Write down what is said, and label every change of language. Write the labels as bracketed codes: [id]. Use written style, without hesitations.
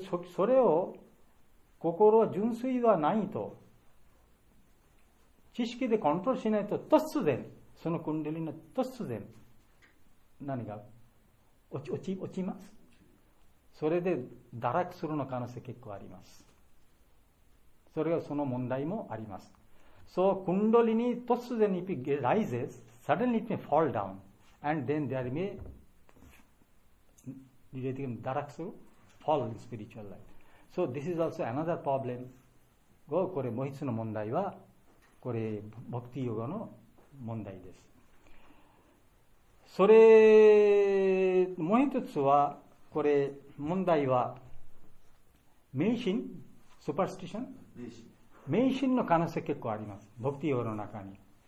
[ja] それを、心は純粋ではないと、知識でコントロールしないと突然、そのクンドリの突然、何が落ちます。それで堕落するの可能性結構あります。それがその問題もあります。 [en] So, [ja] クンドリに突然 [en] it rises, suddenly it may fall down, and then there may, relating to [ja] 堕落する、 [en] fall in spiritual life. So, this is also another problem. [ja] Go, これ、もう一つの問題は、これ、ボクティヨガの問題です。それ、もう一つは、これ、問題は、迷信、スーパースティション、迷信の可能性結構あります、ボクティヨガの中に。